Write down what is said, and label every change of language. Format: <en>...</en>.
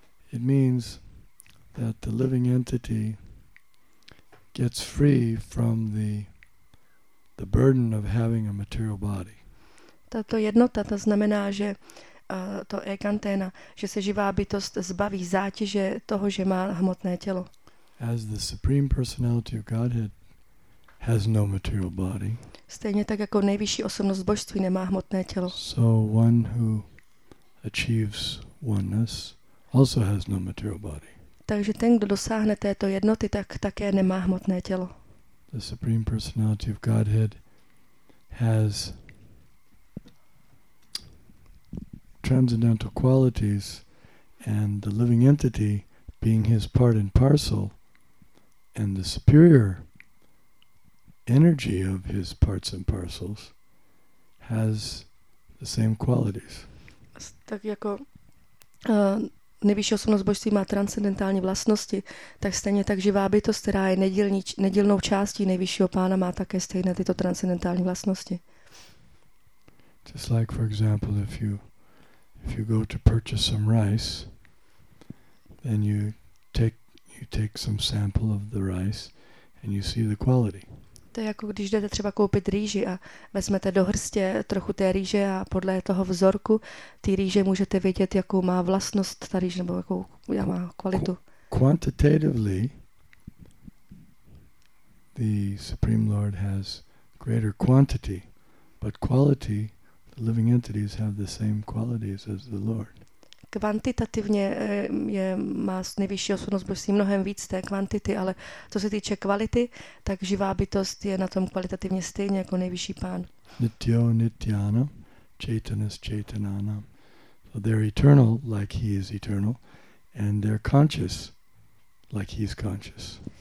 <en>It means that the living entity gets free from the burden of having a material body.</en> <cs>Tato jednota, to znamená, že to ekantena, že se živá bytost zbaví zátěže toho, že má hmotné tělo.</cs> <en>As the Supreme Personality of Godhead has no material body.</en> <cs>Stejně tak jako nejvyšší osobnost božství nemá hmotné tělo.</cs> <en>So one who achieves oneness also has no material body.</en> <cs>Takže ten, kdo dosáhne této jednoty, tak také nemá hmotné tělo.</cs> <en>The Supreme Personality of Godhead has transcendental qualities, and the living entity, being his part and parcel, and the superior energy of his parts and parcels, has the same qualities.</en> <cs>Tak jako nejvyšší osobnost božství má transcendentální vlastnosti, tak stejně tak živá bytost, která je nedílnou částí nejvyššího pána, má také stejné tyto transcendentální vlastnosti.</cs> <en>Just like for example, if you go to purchase some rice, then you take some sample of the rice and you see the quality.</en> <cs>To je jako když jdete třeba koupit rýži a vezmete do hrstě trochu té rýže a podle toho vzorku té rýže můžete vidět, jakou má vlastnost ta rýže nebo jakou má kvalitu.</cs> <en>Quantitatively, the Supreme Lord has greater quantity, but quality, the living entities have the same qualities as the Lord.</en> <cs>Kvantitativně je, má nejvyšší osobnost božství mnohem víc té kvantity, ale co se týče kvality, tak živá bytost je na tom kvalitativně stejně jako nejvyšší pán.</cs> <sa>Nityo nityana, chaitanas chaitanana.</sa> <en>So they're eternal like he is eternal and they're conscious like he is conscious.</en>